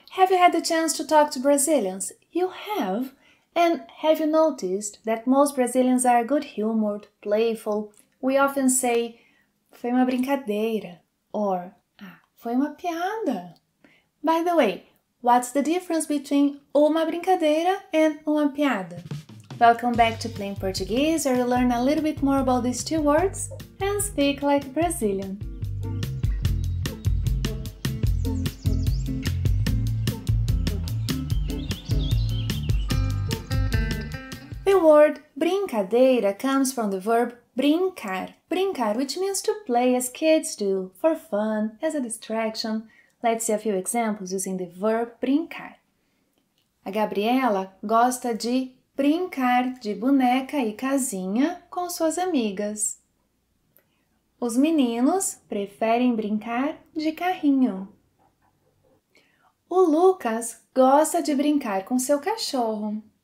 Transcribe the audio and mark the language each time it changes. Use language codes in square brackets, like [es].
[en] Have you had the chance to talk to Brazilians? You have! And have you noticed that most Brazilians are good-humored, playful? We often say, [pt] foi uma brincadeira, or ah, foi uma piada. [en] By the way, what's the difference between uma brincadeira and uma piada? Welcome back to Plain Portuguese, where you learn a little bit more about these two words and speak like a Brazilian. The word brincadeira comes from the verb brincar, brincar, which means to play as kids do, for fun, as a distraction. Let's see a few examples using the verb brincar. [pt] A Gabriela gosta de brincar de boneca e casinha com suas amigas. Os meninos preferem brincar de carrinho. O Lucas gosta de brincar com seu cachorro.